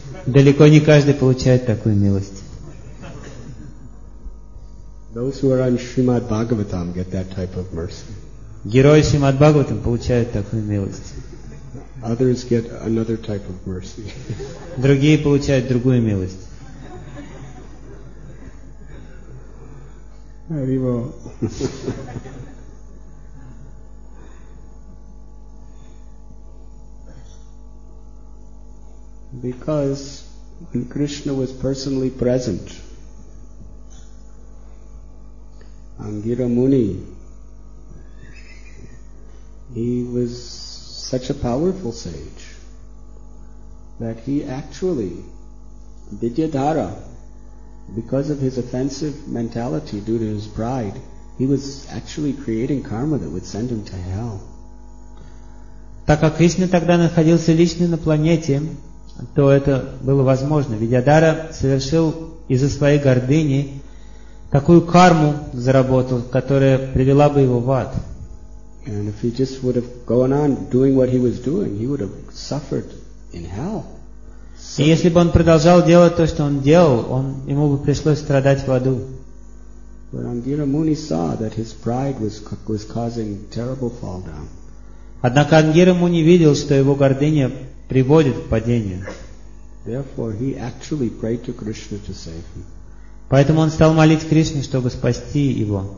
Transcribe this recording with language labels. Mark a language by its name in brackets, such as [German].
[Russian] Далеко не каждый получает такую милость. [English] Those who are on Srimad Bhagavatam get that type of mercy. [Russian] Герои Шримад Бхагаватам получают такую милость. [English] Others get another type of mercy. [Russian] Другие получают другую милость. Arrivo. [English] Because when Krishna was personally present, Angira Muni, he was such a powerful sage that he actually, Vidyadhara, because of his offensive mentality due to his pride, he was actually creating karma that would send him to hell. [Russian] Так как Кришна тогда находился лично на планете, то это было возможно. Видядара совершил из-за своей гордыни такую карму заработал, которая привела бы его в ад. [English] And if he just would have gone on doing what he was doing, he would have suffered in hell. [Russian] И если бы он продолжал делать то, что он делал, ему бы пришлось страдать в аду. [English] But Angira Muni saw that his pride was causing terrible fall down. [Russian] Однако Ангира Муни видел, что его гордыня приводит к падению. [English] Therefore, he actually prayed to Krishna to save him. [Russian] Поэтому он стал молить Кришну, чтобы спасти его.